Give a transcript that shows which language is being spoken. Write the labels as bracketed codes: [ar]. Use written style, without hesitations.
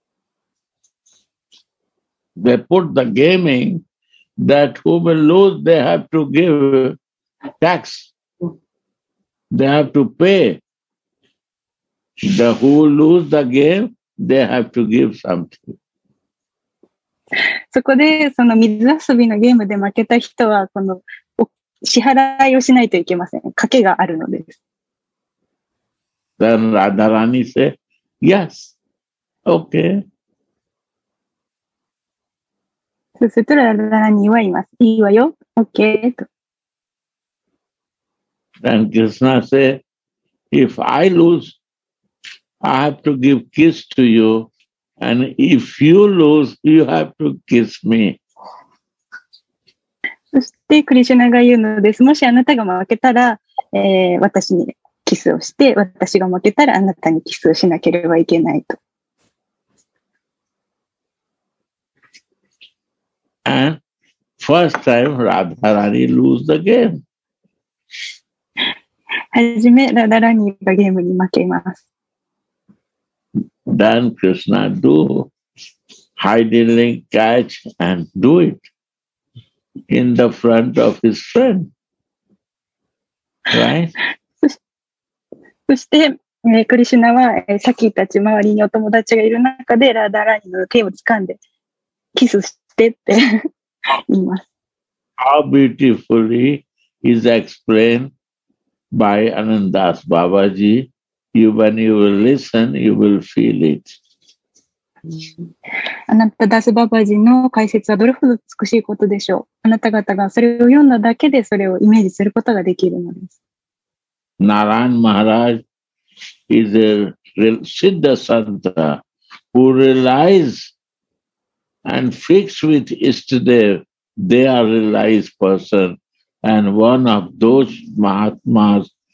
[ja] 日中の水遊びのリーラなので、様々なことがそこで繰り広げられます。なのでそこにはお友達もいるし、いろいろなリーラが行われます。なのでそこにはサッキーたち、マンジャリーたち、どちらもいるのです。 [en] They put the gaming that who will lose they have to give tax. They have to pay. The who lose the game, they have to give something. [ja] そこでその水遊びのゲームで負けた人はこの支払いをしないといけません。賭けがあるのです。 [en] Then Radharani said, yes, okay. [ja] そうすると Radharani は言います。いいわよ、okay. [en] Then Krishna said, if I lose, I have to give kiss to you. And if you lose, you have to kiss me. [ja] そしてクリシュナが言うのです。もしあなたが負けたら、私にキスをして、私が負けたらあなたにキスをしなければいけないと。 [en] And first time Radharani lose the game. [ja] はじめラダラニがゲームに負けます。 [en] Then Krishna do hide and link catch and do it in the front of his friend, right? [ja] そして、クリシュナはサッキーたち周りにお友達がいる中でラダラニの手を掴んでキスしてって言います。 [en] How beautifully is explained by Anandas Babaji. When you will listen, you will feel it. [ja] あなたダスババジの解説はどれほど美しいことでしょう。あなた方がそれを読んだだけでそれをイメージすることができるのです。 [en] Narayan Maharaj is a Siddha Santa who realizes and fixed with Ishtadev. They are realized person and one of those Mahatmas.